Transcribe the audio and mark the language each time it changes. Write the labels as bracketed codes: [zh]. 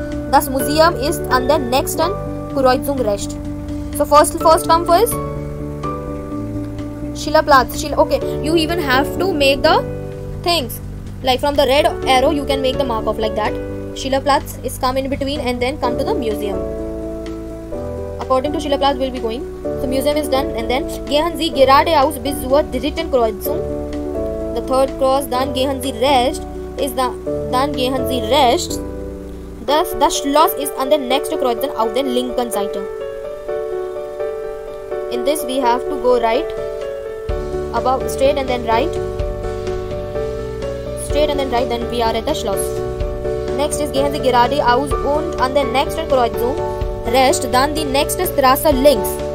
[de] Das Museum ist an der nächsten Kreuzung rechts. [en] So first come first. Schillerplatz. Okay, you even have to make the things. Like from the red arrow, you can make the mark off like that. Schillerplatz is come in between and then come to the museum. According to Schillerplatz, we'll be going. So museum is done and then [de] gehen Sie geradeaus bis zur dritten Kreuzung. [en] The third cross, [de] dann gehen Sie rechts. [en] Thus, the Schloss is on the next Kreuzung [de] auf der linken Seite. [en] In this, we have to go right. Above, straight and then right. And then right, then we are at the Schloss. Next is [de] gehen Sie geradeaus und an der nächsten Kreuzung rechts, dann die nächste Straße links.